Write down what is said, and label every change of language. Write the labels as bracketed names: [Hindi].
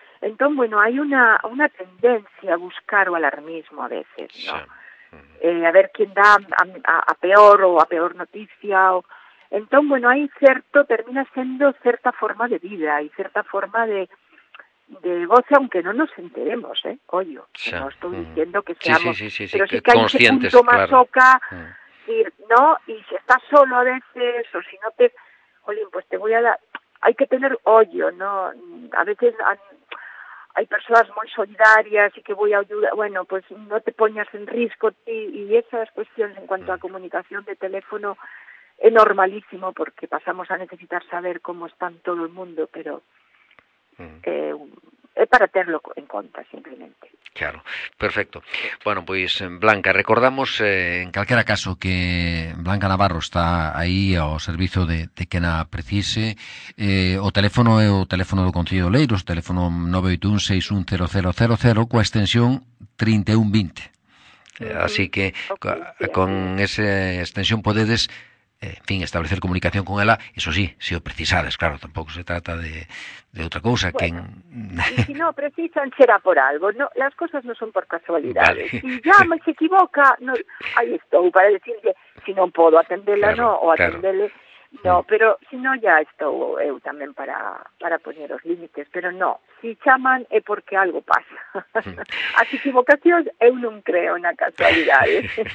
[Galician] Entón, bueno, hai unha tendencia a buscar o alarmismo a veces, ¿no? A ver quién dá a peor noticia. Entón, bueno, hai certo, termina sendo certa forma de vida e certa forma de goce, aunque non nos enteremos, ¿eh? Ollo, no estou dicendo que seamos... Sí, pero sí que hai ese punto masoca, [Spanish] ¿no? E se está solo a veces, o si no te... Jolín, pues te voy a dar... Hay que tener ollo, ¿no? A veces hay personas muy solidarias y que voy a ayudar... Bueno, pues no te pongas en riesgo, ti. Y esas cuestiones en cuanto a comunicación de teléfono es normalísimo, porque pasamos a necesitar saber cómo están todo el mundo, pero es para tenerlo en cuenta, simplemente. Claro, perfecto. Bueno, pues Blanca, recordamos en cualquier caso que Blanca Navarro está ahí ao servicio de quien la precise. [Galician] O teléfono é o teléfono do Concello de Oleiros, teléfono 981-610000 coa extensión 3120. Así que con esa extensión podedes, en fin, establecer comunicación con ela, eso sí, si o precisades, claro, tampouco se trata de outra cousa. [Spanish] Bueno, que en... si no precisan, será por algo, no, las cosas no son por casualidades. Vale. Si llama y se equivoca, no, ahí estou para decirle, si no puedo atenderla, claro, no, o atenderle, claro. No, pero si no, ya estou eu también para poner los límites, pero no, si llaman es porque algo pasa. [Galician] As equivocacións, eu non creo na casualidade.